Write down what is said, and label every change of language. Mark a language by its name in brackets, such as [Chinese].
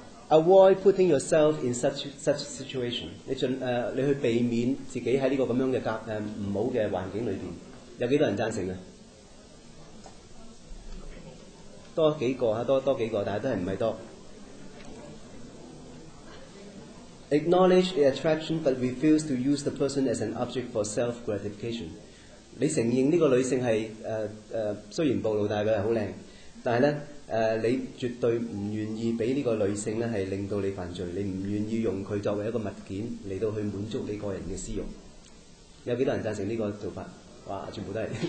[English] Avoid putting yourself in such situation 你。 [Cantonese] 你去避免自己喺呢個咁樣嘅唔好嘅環境裏邊。有幾多人贊成啊？多幾個啊？多幾個，但係都係唔係多。 [English] Acknowledge the attraction but refuse to use the person as an object for self-gratification. [Cantonese] 你承認呢個女性係雖然暴露，但係佢係好靚，但係咧你絕對不願意俾呢個女性咧，係令到你犯罪，你不願意用佢作為一個物件嚟到去滿足你個人嘅私欲。有幾多人贊成呢個做法？哇，全部都係。